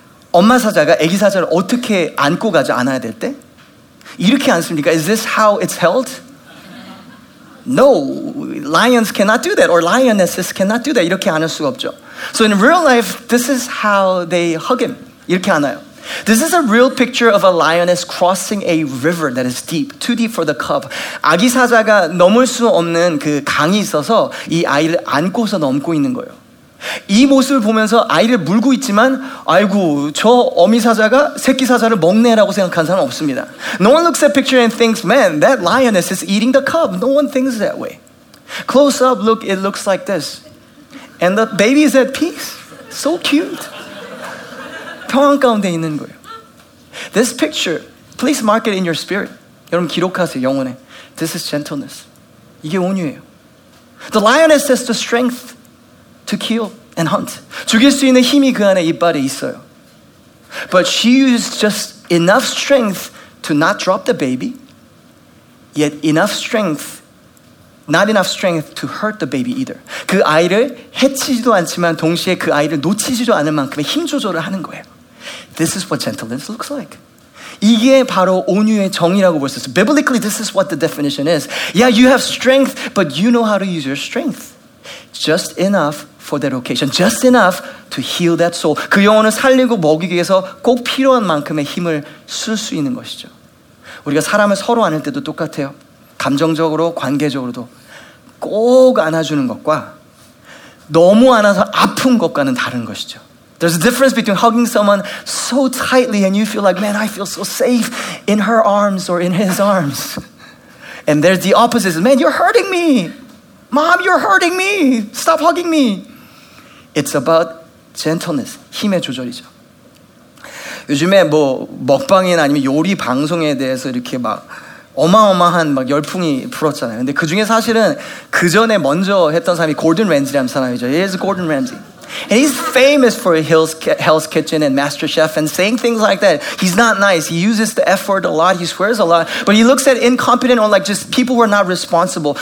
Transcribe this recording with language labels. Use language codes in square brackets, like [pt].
[ko] 엄마 사자가 아기 사자를 어떻게 안고 가죠? 안아야 될 때? 이렇게 안습니까? [en] Is this how it's held? No, lions cannot do that, or lionesses cannot do that. [ko] 이렇게 안을 수가 없죠. [en] So in real life, this is how they hug him. [ko] 이렇게 안아요. [en] This is a real picture of a lioness crossing a river that is deep, too deep for the cub. [ko] 아기 사자가 넘을 수 없는 그 강이 있어서 이 아이를 안고서 넘고 있는 거예요. 이 모습을 보면서 아이를 물고 있지만 아이고 저 어미 사자가 새끼 사자를 먹네라고 생각한 사람 없습니다. [en] No one looks at picture and thinks, man, that lioness is eating the cub. No one thinks that way. Close up, look, it looks like this. And the baby is at peace. So cute. [ko] 평안 가운데 있는 거예요. [en] This picture, please mark it in your spirit. [ko] 여러분 기록하세요, 영혼에. [en] This is gentleness. [ko] 이게 온유예요. [en] The lioness has the strength to kill and hunt. [ko] 죽일 수 있는 힘이 그 안에 이빨에 있어요. [en] But she used just enough strength to not drop the baby, yet enough strength, not enough strength to hurt the baby either. [ko] 그 아이를 해치지도 않지만 동시에 그 아이를 놓치지도 않을 만큼의 힘 조절을 하는 거예요. [en] This is what gentleness looks like. [ko] 이게 바로 온유의 정의라고 볼 수 있어요. [en] Biblically, this is what the definition is. Yeah, you have strength, but you know how to use your strength. Just enough for that occasion. Just enough to heal that soul. [ko] 그 영혼을 살리고 먹이기 위해서 꼭 필요한 만큼의 힘을 쓸 수 있는 것이죠. 우리가 사람을 서로 안을 때도 똑같아요. 감정적으로, 관계적으로도 꼭 안아주는 것과 너무 안아서 아픈 것과는 다른 것이죠. [en] There's a difference between hugging someone so tightly and you feel like, man, I feel so safe in her arms or in his arms. And there's the opposite. Man, you're hurting me. Mom, you're hurting me. Stop hugging me. It's about gentleness. [ko] 힘의 조절이죠. 요즘에 뭐 먹방이나 아니면 요리 방송에 대해서 이렇게 막 어마어마한 막 열풍이 불었잖아요. 근데 그 중에 사실은 그 전에 먼저 했던 사람이 골든 램지라는 사람이죠. [en] He is Gordon Ramsay. And he's famous for Hell's Kitchen and MasterChef and saying things like that. He's not nice. He uses the F word a lot. He swears a lot. But he looks at incompetent or like just people who are not responsible.